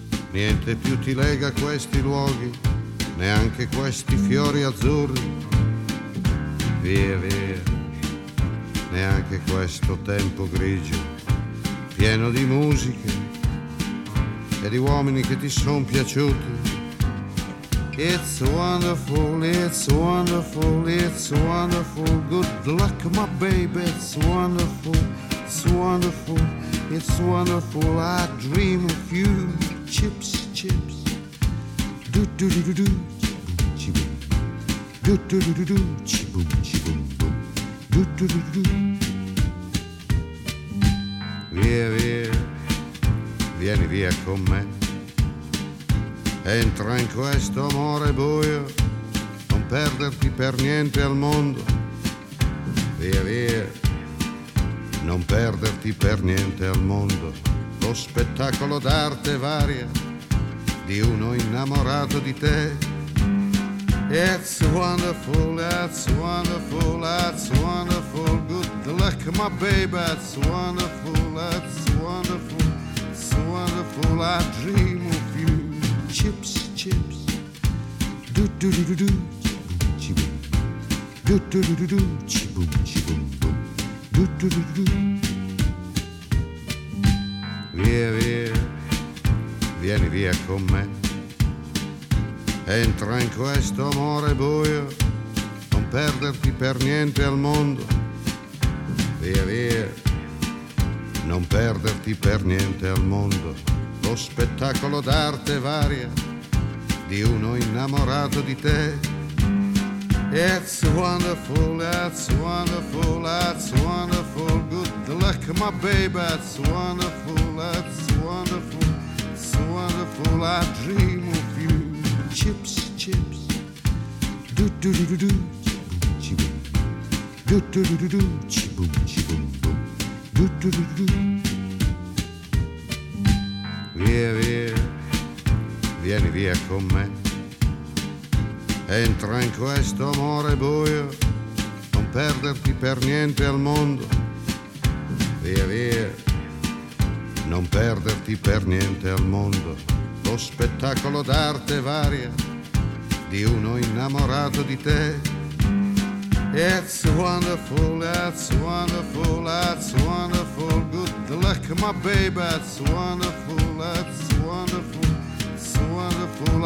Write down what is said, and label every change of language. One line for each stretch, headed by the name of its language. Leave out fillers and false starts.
Italian: Niente più ti lega a questi luoghi, neanche questi fiori azzurri. Via, via, neanche questo tempo grigio, pieno di musiche e di uomini che ti sono piaciuti.
English: It's wonderful, it's wonderful, it's wonderful. Good luck, my baby, it's wonderful, it's wonderful, it's wonderful. I dream of you, chips, chips. Do do do do do, chibum chibum. Do do do do do, chibum chibum boom.
Italian: Do do do do do. Via via, vieni via con me. Entra in questo amore buio, non perderti per niente al mondo. Via via, non perderti per niente al mondo. Lo spettacolo d'arte varia di uno innamorato di te.
English: It's wonderful, that's wonderful, that's wonderful. Good luck, my baby, that's wonderful, that's wonderful, it's wonderful. I dream of you. Chips, chips, do do do do do, chibum chibum, do do do do do, chibum chibum boom, do do do do do.
Italian: Via via, vieni via con me. Entra in questo amore buio, non perderti per niente al mondo. Via via, non perderti per niente al mondo. Lo spettacolo d'arte varia di uno innamorato di te.
English: It's wonderful, that's wonderful, that's wonderful. Good luck, my baby, that's wonderful, that's wonderful, it's wonderful. I dream of you. Chips, chips, do do do do do, chibum chibum, do do do do do, chibum chibum, do do do do do.
Italian: Via via, vieni via con me. Entra in questo amore buio, non perderti per niente al mondo. Via via, non perderti per niente al mondo. Lo spettacolo d'arte varia di uno innamorato di te.
English: It's wonderful, that's wonderful, that's wonderful. Good luck, my baby, that's wonderful, that's wonderful, it's wonderful.